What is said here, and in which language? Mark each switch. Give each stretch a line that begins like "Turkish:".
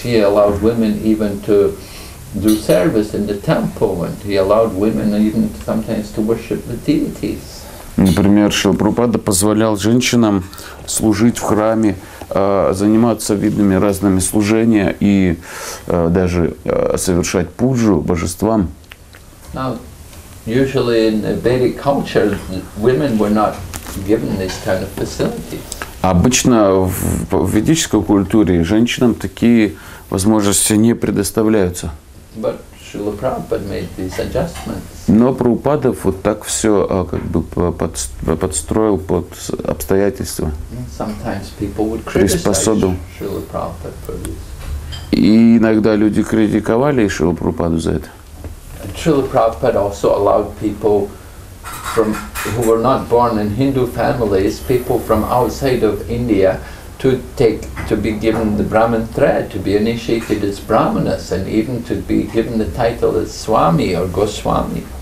English: He allowed women even to do service in the temple, and he allowed women even sometimes to worship the deities.
Russian: Например, Шрила Прабхупада позволял женщинам служить в храме, заниматься видными разными служениями и даже совершать пуджу божествам.
English: Now, usually in the Vedic culture, women were not given this kind of facility.
Russian: Обычно в ведической культуре женщинам такие возможности не предоставляются.
English: But Srila Prabhupada made these adjustments.
Russian: Но Прабхупада вот так все подстроил под обстоятельства.
English: Sometimes people would criticize Srila Prabhupada for this.
Russian: И иногда люди критиковали Шрилу Прабхупаду за это.
English: Srila Prabhupada also allowed people from who were not born in Hindu families, people from outside of India, to be given the Brahmin thread, to be initiated as Brahmanas, and even to be given the title as Swami or Goswami.